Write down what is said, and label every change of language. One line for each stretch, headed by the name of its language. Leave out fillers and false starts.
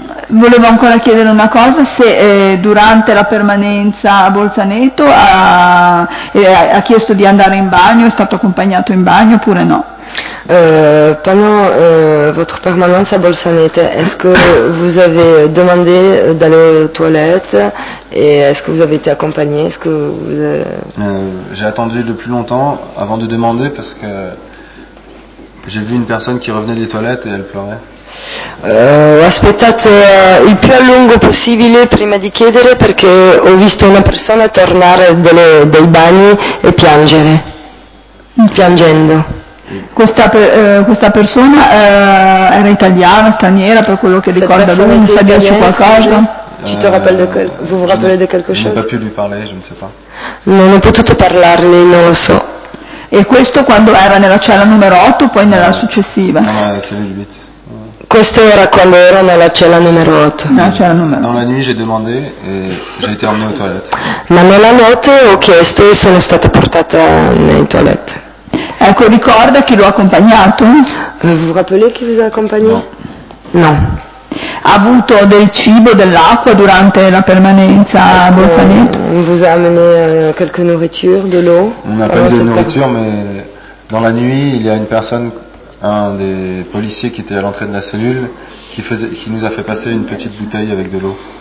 Italian: Volevo ancora chiedere una cosa, se durante la permanenza a Bolzaneto ha chiesto di andare in bagno, è stato accompagnato in bagno oppure no?
French: Pendant votre permanence à Bolzaneto, est-ce que vous avez demandé d'aller aux toilettes et est-ce que vous avez été accompagné? Est-ce que vous avez... J'ai attendu le plus longtemps avant de demander parce que j'ai vu une personne qui revenait des toilettes et elle pleurait.
Italian: Ho aspettato il più a lungo possibile prima di chiedere perché ho visto una persona tornare dai bagni e piangere, piangendo. Questa persona era italiana, straniera, per quello che ricorda lui, mi sa dirci qualcosa?
French: Vous vous rappelez de quelque chose? Je n'ai pas pu lui parler, je ne sais pas.
Italian: Non ho potuto parlargli, non lo so. E questo quando era nella cella numero 8, poi nella successiva?
French: No, è la cellule 8.
Italian: Questo era quando ero nella cella numero 8. Nella cella numero 8.
French: Dans la nuit, j'ai demandé e j'ai été emmenée aux toilettes.
Italian: Ma nella notte ho chiesto e sono stata portata nei toilette. Ecco, ricorda chi lo ha accompagnato?
French: Vous rappelez qui vous a accompagné?
Italian: No. Ha avuto del cibo, dell'acqua durante la permanenza a Bolzaneto?
French: On vous a amené quelque nourriture, de l'eau? On n'a pas eu de nourriture, mais dans la nuit, il y a une personne, un des policiers qui était à l'entrée de la cellule, qui nous a fait passer une petite bouteille avec de l'eau.